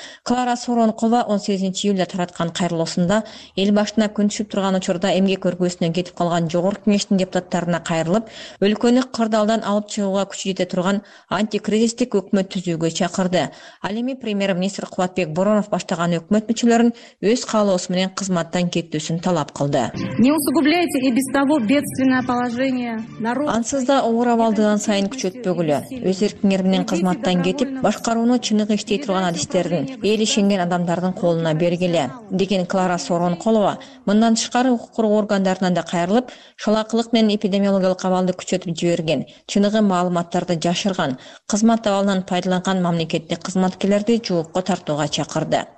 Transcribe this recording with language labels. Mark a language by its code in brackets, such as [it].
[ky] Клара Сооронкова 18-июлда тараткан кайрылуусунда эл башына күн түшүп турган учурда эмгек өргөсүнө кетип калган жогорку кеңештин депутаттарына кайрылып, өлкөнү кырдаалдан алып чыгууга күчү жете турган антикризистик өкмөт түзүүгө чакырды. Ал эми премьер министр Кубатбек Боронов баштаган өкмөт мүчөлөрүн өз каалоосу менен кызматтан кетүүсүн талап кылды. [ru] Не усугубляйте и без того бедственное положение народ. [ky] Ансыз да оор абалдан сайын күчөтпөгүлө. Өз эркиңер менен кызматтан кетип, башкарууну чыныгы иштей турган адистердин, эл ишенген адамдардын колуна бергиле деген Клара Сооронколова. Мындан тышкары укук коргоо органдарынан да кайрылып, шалаакылык менен эпидемиологиялык абалды күчөтүп жиберген, чыныгы маалыматтарды жашырган, кызмат абалынан пайдаланган мамлекеттик кызматкерлерди жоопко тартууга чакырды.